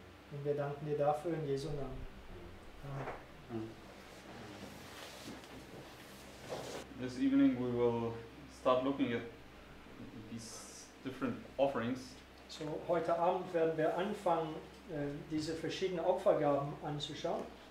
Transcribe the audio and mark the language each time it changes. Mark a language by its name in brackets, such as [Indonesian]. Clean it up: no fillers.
[German] Und wir danken dir dafür in Jesu Namen. Amen. [English] This evening we will start looking at these different offerings. [German] So heute Abend werden wir anfangen, diese verschiedenen Opfergaben anzuschauen.